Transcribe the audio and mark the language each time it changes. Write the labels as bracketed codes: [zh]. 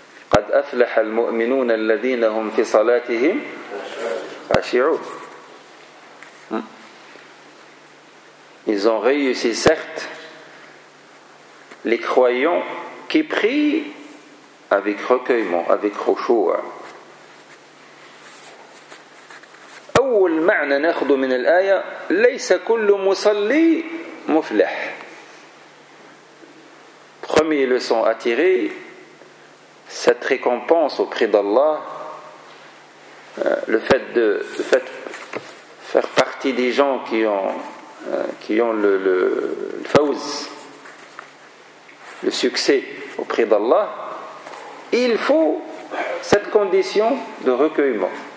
[ar] قد أفلح المؤمنون الذين هم في صلاتهم خاشعون. [fr] Ils ont réussi, certes, les croyants qui prient avec recueillement, avec khushu'. [ar] أول معنى نأخذ من الآية ليس كل مصلي مفلح. [fr] Première leçon à tirer, cette récompense auprès d'Allah, le fait de faire partie des gens qui ont le fawz, le succès auprès d'Allah, il faut cette condition de recueillement.